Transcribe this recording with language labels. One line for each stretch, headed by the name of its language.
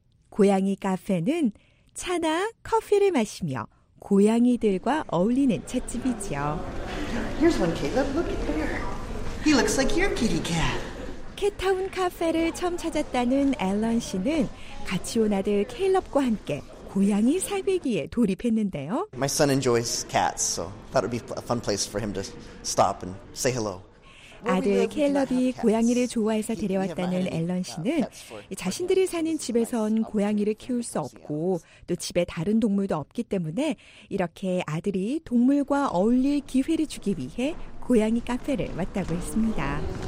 Korean: 고양이 카페는 차나 커피를 마시며 고양이들과 어울리는 찻집이지요.
English: Here's one, Caleb. Look at there. He looks like your kitty cat.
Korean: 캣타운 카페를 처음 찾았다는 앨런 씨는 같이 온 아들 케일럽과 함께 고양이 살비기에 돌입했는데요.
English: My son enjoys cats, so that would be a fun place for him to stop and say hello.
Korean: 아들 케일럽이 고양이를 좋아해서 데려왔다는 앨런 씨는 자신들이 사는 집에선 고양이를 키울 수 없고 또 집에 다른 동물도 없기 때문에 이렇게 아들이 동물과 어울릴 기회를 주기 위해 고양이 카페를 왔다고 했습니다.